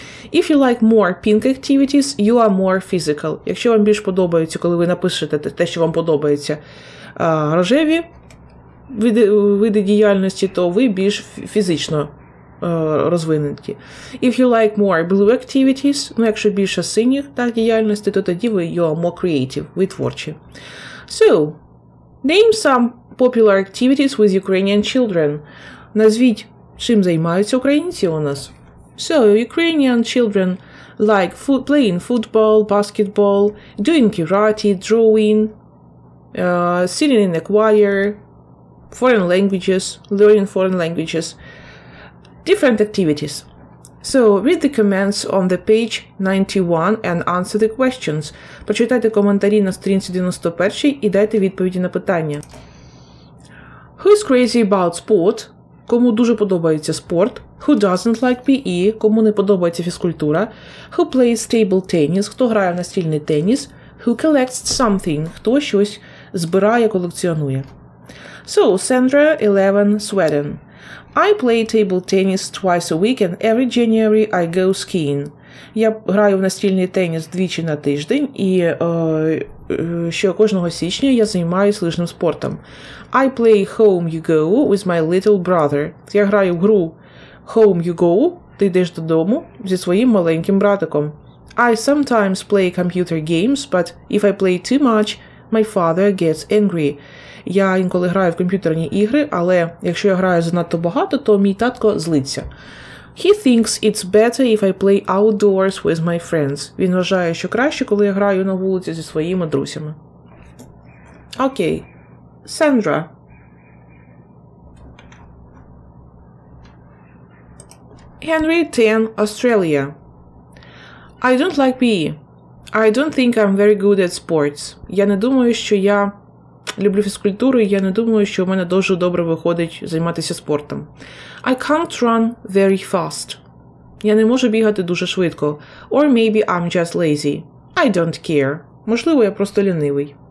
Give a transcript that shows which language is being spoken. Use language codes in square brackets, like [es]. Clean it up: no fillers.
[en] If you like more pink activities, you are more physical. [uk] Якщо вам більш подобається, коли ви напишете те, що вам подобається, рожеві види діяльності, то ви більш фізично розвинені. [en] If you like more blue activities, [uk] ну якщо більше синіх так діяльності, то тоді ви [en] you are more creative, [uk] ви творчі. [en] So, name some popular activities with Ukrainian children. [uk] Назвіть, чим займаються українці у нас. [en] So, Ukrainian children like playing football, basketball, doing karate, drawing, singing in a choir, foreign languages, learning foreign languages, different activities. So, read the comments on the page 91 and answer the questions. [uk] Прочитайте коментарі на сторінці 91 і дайте відповіді на питання. [en] Who's crazy about sport? [uk] Кому дуже подобається спорт? [en] Who doesn't like PE? [uk] Кому не подобається фізкультура? [en] Who plays table tennis? [uk] Хто грає в настільний теніс? [en] Who collects something? [uk] Хто щось збирає, колекціонує. [en] So, Sandra 11 Sweden. I play table tennis twice a week and every January I go skiing. [uk] Я граю в настільний теніс двічі на тиждень і ще кожного січня я займаюся лижним спортом. [en] I play home you go with my little brother. [uk] Я граю в гру home you go, ти йдеш додому зі своїм маленьким братиком. [en] I sometimes play computer games, but if I play too much, my father gets angry. [uk] Я інколи граю в комп'ютерні ігри, але якщо я граю занадто багато, то мій татко злиться. [en] He thinks it's better if I play outdoors with my friends. [uk] Він вважає, що краще, коли я граю на вулиці зі своїми друзями. Окей. Сандра. [en] Henry 10, Australia. I don't like PE. I don't think I'm very good at sports. [uk] Я не думаю, що я люблю фізкультуру, і я не думаю, що у мене дуже добре виходить займатися спортом. [en] I can't run very fast. [uk] Я не можу бігати дуже швидко. [en] Or maybe I'm just lazy. I don't care. [uk] Можливо, я просто лінивий.